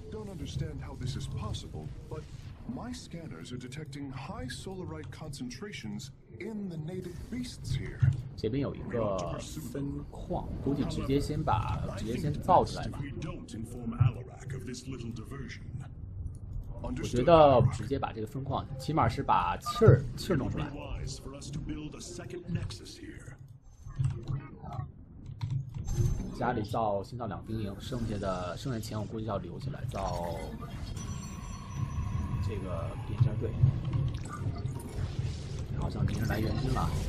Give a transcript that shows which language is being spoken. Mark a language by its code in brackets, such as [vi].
[en] Understand how this is possible, but my scanners are detecting high solarite concentrations in the native beasts here. [zh] 这边有一个分矿，估计直接先造出来吧。 [en] We don't inform Alarak of this little diversion. [zh] 我觉得直接把这个分矿，起码是把气儿弄出来。 [en] Wise for us to build a second nexus here. [zh] 家里造新造两兵营，剩下钱我估计要留起来造这个边疆队。好像敌人来援军了。